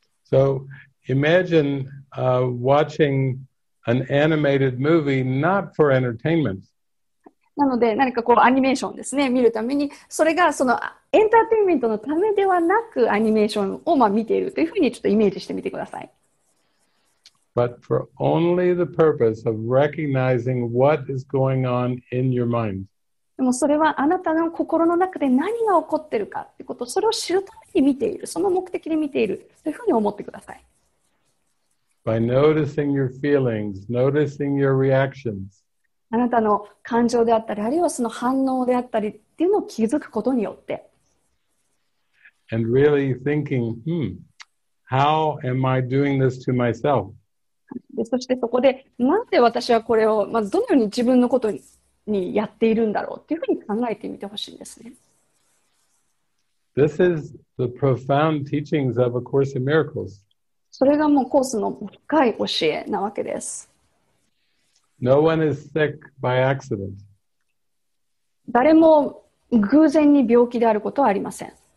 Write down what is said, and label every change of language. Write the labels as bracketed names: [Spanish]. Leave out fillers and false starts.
[English] So, imagine, watching an animated movie not for entertainment. [Japanese] なので、何かこう、アニメーションですね、見るために、それがその、エンターテインメントのためではなく、アニメーションをまあ見ているというふうにちょっとイメージしてみてください。 [English] But for only the purpose of recognizing what is going on in your mind. [Japanese] でもそれはあなたの心の中で何が起こってるかってこと、それを知るために見ている、その目的で見ているというふうに思ってください。 [English] By noticing your feelings, noticing your reactions. [Japanese] あなたの感情であったり、あるいはその反応であったりっていうのを気づくことによって、 [English] And really thinking, how am I doing this to myself? [Japanese] そしてそこで、なんで私はこれを、まずどのように自分のことにやっているんだろうっていうふうに考えてみてほしいんですね。 [English] This is the profound teachings of A Course in Miracles. [Japanese] それがもうコースの深い教えなわけです。 [English] No one is sick by accident. [Japanese] 誰も偶然に病気であることはありません。